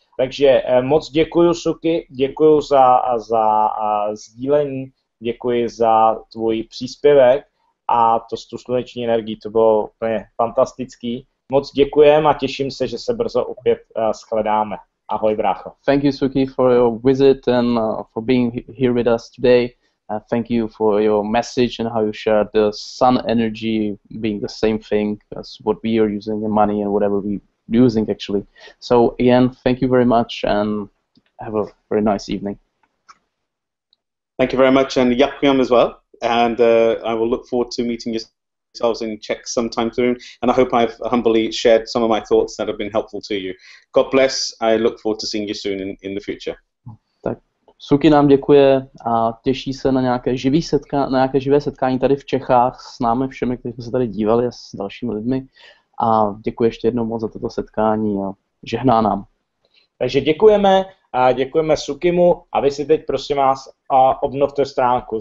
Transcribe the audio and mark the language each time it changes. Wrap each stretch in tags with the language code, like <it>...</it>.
<cs>Takže moc děkuju, Suky, děkuju za sdílení, děkuji za tvůj příspěvek a to s tu sluneční energií, to bylo úplně fantastický. Moc děkujem a těším se, že se brzo opět shledáme. Ahoj, brácho.</cs> <en>Thank you, Suky, for your visit and for being here with us today. Thank you for your message and how you shared the sun energy being the same thing as what we are using in money and whatever we using actually. So again, thank you very much and have a very nice evening. Thank you very much and yakuyam as well. And I will look forward to meeting you yourselves in Czech sometime soon, and I hope I've humbly shared some of my thoughts that have been helpful to you. God bless. I look forward to seeing you soon in the future.</en> <cs>Tak Suky nám děkuje a těší se na nějaké živé setkání tady v Čechách s námi všemi, kteří jsme se tady dívali, a s dalšími lidmi. A děkuji ještě jednou moc za toto setkání a žehná nám. Takže děkujeme a děkujeme Sukymu a vy si teď prosím vás a obnovte stránku.</cs>